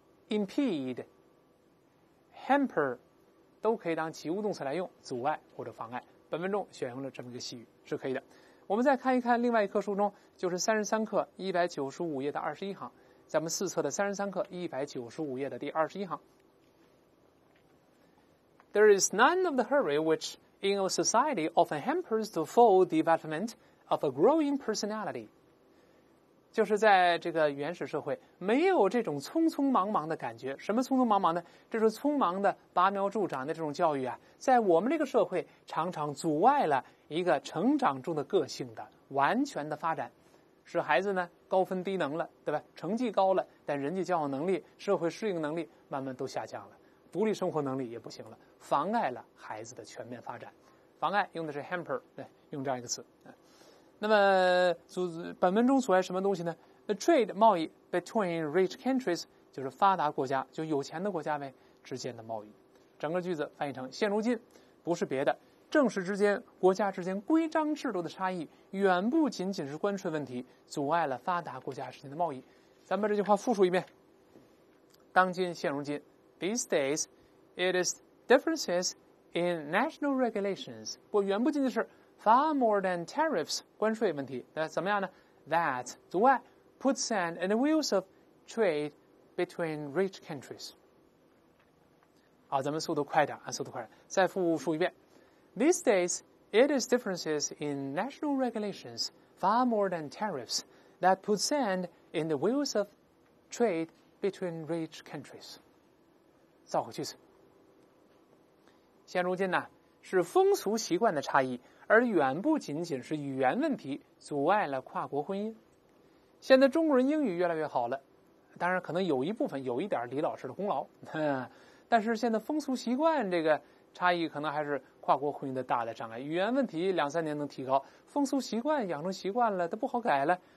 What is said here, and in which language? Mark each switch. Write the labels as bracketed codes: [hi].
[zh] impede hamper 都可以当及物动词来用，阻碍或者妨碍，本文中选用了这么一个习语是可以的。我们再看一看另外一课书中，就是33课195页的21行，咱们四册的33课195页的第21行。 [en] There is none of the hurry which in a society often hampers the full development of a growing personality. [zh] 就是在这个原始社会没有这种匆匆忙忙的感觉。什么匆匆忙忙呢？这是匆忙的拔苗助长的这种教育啊，在我们这个社会常常阻碍了一个成长中的个性的完全的发展。使孩子呢高分低能了，对吧？成绩高了，但人际交往能力、社会适应能力慢慢都下降了，独立生活能力也不行了，妨碍了孩子的全面发展。妨碍用的是 hamper， 对，用这样一个词。那么本文中阻碍什么东西呢 ？ [en] The trade [zh] 贸易 [en] between rich countries [zh] 就是发达国家，就有钱的国家呗之间的贸易。整个句子翻译成：现如今不是别的。正式之间国家之间规章制度的差异远不仅仅是关税问题阻碍了发达国家之间的贸易。咱们把这句话复述一遍。当今现如今 [en] These days it is differences in national regulations [zh] 不远不仅仅是 [en] far more than tariffs [zh] 关税问题那怎么样呢 [en] That [zh] 阻碍 [en] put sand in the wheels of trade between rich countries。 [zh] 好，咱们速度快点啊，速度快点，再复述一遍。 [en] These days, it is differences in national regulations far more than tariffs that put sand in the wheels of trade between rich countries. [zh] 造个句子。现如今呢，是风俗习惯的差异，而远不仅仅是语言问题阻碍了跨国婚姻。现在中国人英语越来越好了，当然可能有一部分有一点李老师的功劳，但是现在风俗习惯这个差异可能还是跨国婚姻的大的障碍，语言问题2-3年能提高，风俗习惯养成习惯了都不好改了。